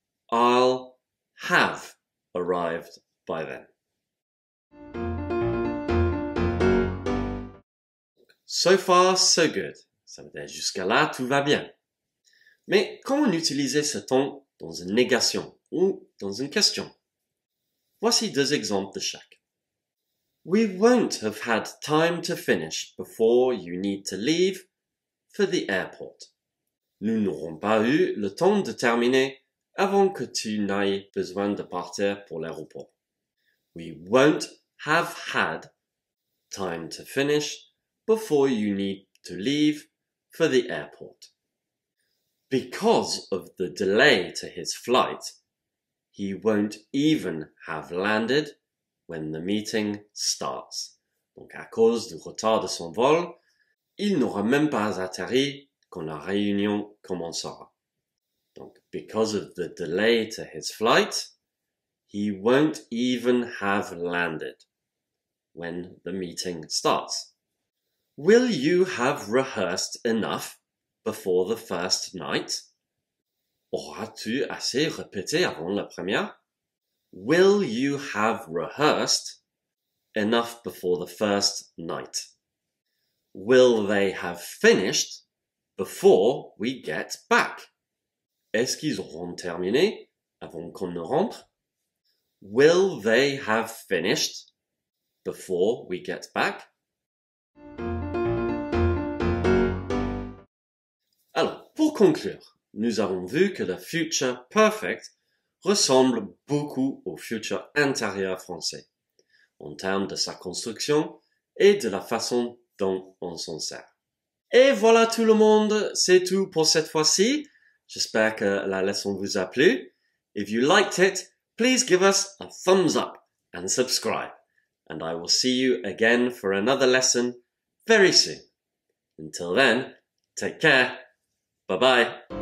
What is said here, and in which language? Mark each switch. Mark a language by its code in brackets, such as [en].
[en] I'll have arrived by then. So far, so good. [fr] Ça veut dire jusqu'à là, tout va bien. Mais comment utiliser ce temps dans une négation ou dans une question? Voici deux exemples de chaque. [en] We won't have had time to finish before you need to leave for the airport. [fr] Nous n'aurons pas eu le temps de terminer avant que tu n'aies besoin de partir pour l'aéroport. [en] We won't have had time to finish before you need to leave for the airport. Because of the delay to his flight, he won't even have landed when the meeting starts. [fr] Donc à cause du retard de son vol, il n'aura même pas atterri quand la réunion commencera. [en] Donc, because of the delay to his flight, he won't even have landed when the meeting starts. Will you have rehearsed enough before the first night? [fr] Auras-tu assez répété avant la première? [en] Will you have rehearsed enough before the first night? Will they have finished before we get back? [fr] Est-ce qu'ils auront terminé avant qu'on ne rentre? [en] Will they have finished before we get back? [fr] Alors, pour conclure, nous avons vu que le future perfect ressemble beaucoup au futur antérieur français, en termes de sa construction et de la façon dont on s'en sert. Et voilà tout le monde, c'est tout pour cette fois-ci. J'espère que la leçon vous a plu. [en] If you liked it, please give us a thumbs up and subscribe. And I will see you again for another lesson very soon. Until then, take care. Bye-bye.